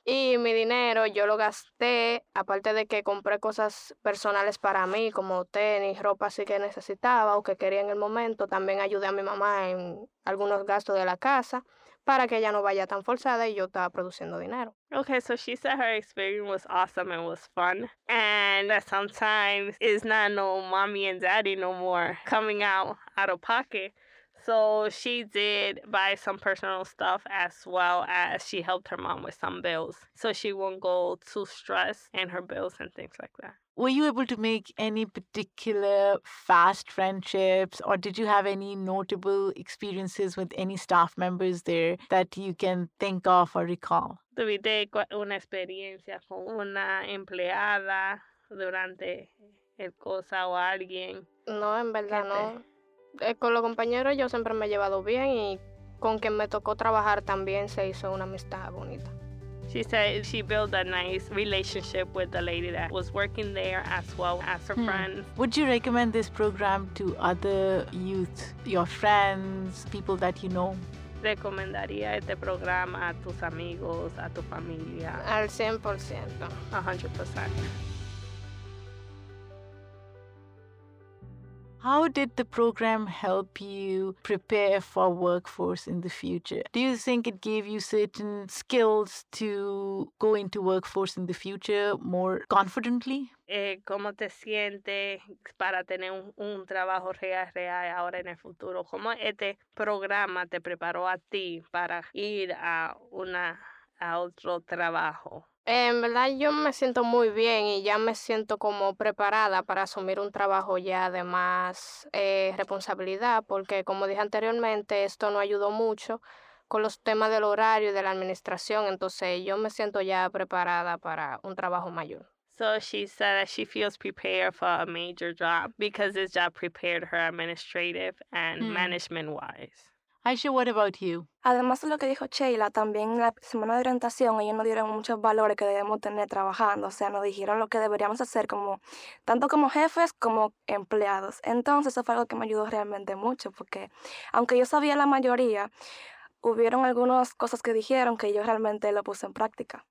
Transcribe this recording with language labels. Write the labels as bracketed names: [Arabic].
[Spanish] Y mi dinero yo lo gasté, aparte de que compré cosas personales para mí, como tenis, ropa así que necesitaba o que quería en el momento, también ayudé a mi mamá en algunos gastos de la casa para que ella no vaya tan forzada y yo estaba produciendo dinero. [English] Okay, so she said her experience was awesome and was fun. And that sometimes it's not no mommy and daddy no more coming out of pocket. So she did buy some personal stuff as well as she helped her mom with some bills so she won't go too stressed in her bills and things like that. Were you able to make any particular fast friendships or did you have any notable experiences with any staff members there that you can think of or recall? [Spanish] Tuve una experiencia con una empleada durante el cosa o alguien. No, en verdad no. Con los compañeros yo siempre me he llevado bien y con quien me tocó trabajar también se hizo una amistad bonita. [English] She said she built a nice relationship with the lady that was working there as well as her friends. Would you recommend this program to other youth, your friends, people that you know? [Spanish] Recomendaría este programa a tus amigos, a tu familia. Al 100%. 100%. [English] How did the program help you prepare for workforce in the future? Do you think it gave you certain skills to go into workforce in the future more confidently? [Spanish] ¿Cómo te sientes para tener un trabajo real ahora en el futuro? ¿Cómo este programa te preparó a ti para ir a otro trabajo? En verdad, yo me siento muy bien y ya me siento como preparada para asumir un trabajo ya de más responsabilidad, porque como dije anteriormente, esto no ayudó mucho con los temas del horario y de la administración, entonces yo me siento ya preparada para un trabajo mayor. [English] So she said that she feels prepared for a major job because this job prepared her administrative and management-wise. Aisha, what about you? [Spanish] Además de lo que dijo Sheila, también la semana de orientación ellos nos dieron muchos valores que debemos tener trabajando, o sea, nos dijeron lo que deberíamos hacer como tanto como jefes como empleados. Entonces eso fue algo que me ayudó realmente mucho porque aunque yo sabía la mayoría, hubieron algunas cosas que dijeron que yo realmente lo puse en práctica.